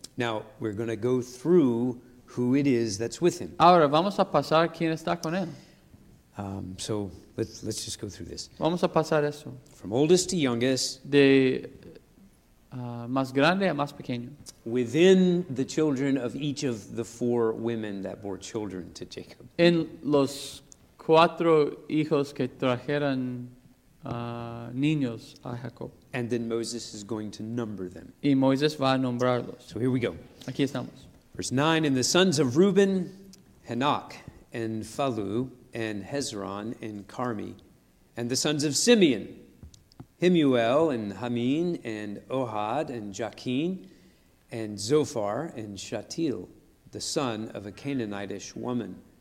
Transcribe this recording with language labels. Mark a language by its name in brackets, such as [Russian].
[English] Now, we're going to go through who it is that's with him. [Spanish] Ahora, vamos a pasar quién está con él. [English] So, let's just go through this. [Spanish] Vamos a pasar eso. [English] From oldest to youngest. [Spanish] De más grande a más pequeño. [English] Within the children of each of the four women that bore children to Jacob. [Spanish] En los cuatro hijos que trajeron niños a Jacob. [English] And then Moses is going to number them. [Spanish] Y Moisés va a nombrarlos. [English] So here we go. [Spanish] Aquí estamos. [English] Verse 9, and the sons of Reuben, Hanok, and Phallu, and Hezron, and Carmi, and the sons of Simeon, Himuel, and Hamin, and Ohad, and Jachin, and Zophar, and Shatil, the son of a Canaanitish woman.